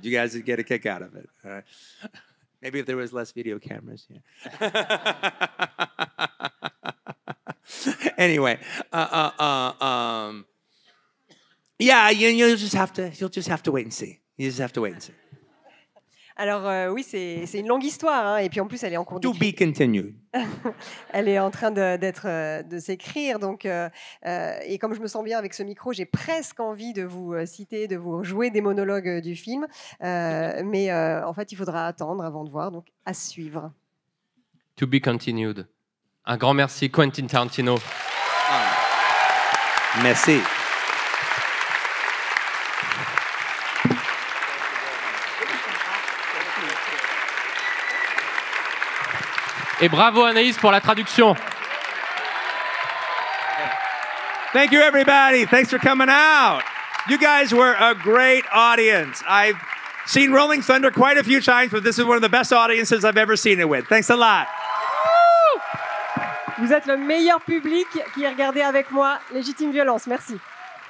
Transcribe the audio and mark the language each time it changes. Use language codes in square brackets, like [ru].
[en] You guys would get a kick out of it. All right. Maybe if there was less video cameras. Yeah. Anyway, yeah, you'll just have to wait and see. [fr] Alors oui, c'est une longue histoire, hein, et puis en plus elle est en cours. [en] To be continued. [fr] Elle est en train de s'écrire, donc et comme je me sens bien avec ce micro, j'ai presque envie de vous citer, de vous jouer des monologues du film, mais en fait il faudra attendre avant de voir, donc à suivre. [en] To be continued. [fr] Un grand merci, Quentin Tarantino. Merci. Et bravo, Anaïs, pour la traduction. [en] Thank you, everybody. Thanks for coming out. You guys were a great audience. I've seen Rolling Thunder quite a few times, but this is one of the best audiences I've ever seen it with. Thanks a lot. [fr] Vous êtes le meilleur public qui ait regardé avec moi Légitime Violence. Merci.